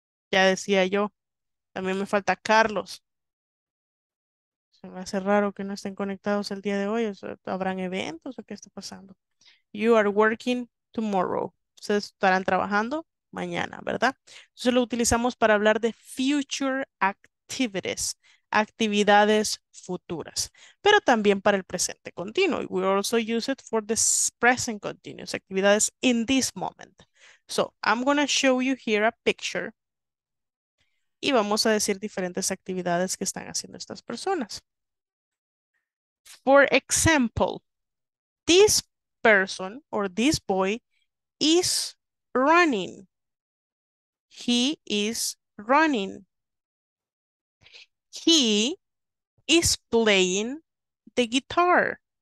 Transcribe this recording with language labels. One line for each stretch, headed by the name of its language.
Spanish: Ya decía yo, también me falta Carlos. Se me hace raro que no estén conectados el día de hoy. ¿Habrán eventos o qué está pasando?
English: You are working tomorrow.
Spanish: Ustedes estarán trabajando mañana, ¿verdad? Entonces lo utilizamos para hablar de
English: future activities,
Spanish: actividades futuras. Pero también para el presente continuo.
English: We also use it for the present continuous, actividades in this moment. So, I'm going to show you here a picture.
Spanish: Y vamos a decir diferentes actividades que están haciendo estas personas.
English: For example, this person or this boy is running. He is running. He is playing the guitar.